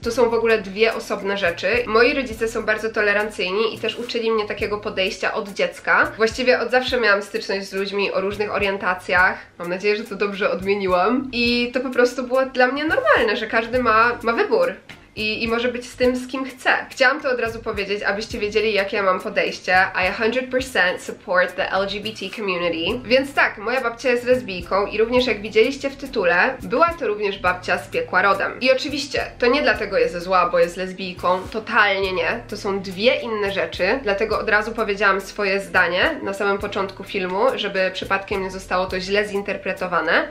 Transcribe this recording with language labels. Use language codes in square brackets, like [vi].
[pl] To są w ogóle dwie osobne rzeczy. Moi rodzice są bardzo tolerancyjni i też uczyli mnie takiego podejścia od dziecka. Właściwie od zawsze miałam styczność z ludźmi o różnych orientacjach. Mam nadzieję, że to dobrze odmieniłam. I to po prostu było dla mnie normalne, że każdy ma wybór. I może być z tym, z kim chce. Chciałam to od razu powiedzieć, abyście wiedzieli, jakie ja mam podejście. [en] I 100% support the LGBT community. [pl] Więc tak, moja babcia jest lesbijką i również jak widzieliście w tytule, była to również babcia z piekła rodem. I oczywiście, to nie dlatego jest zła, bo jest lesbijką. Totalnie nie. To są dwie inne rzeczy. Dlatego od razu powiedziałam swoje zdanie na samym początku filmu, żeby przypadkiem nie zostało to źle zinterpretowane.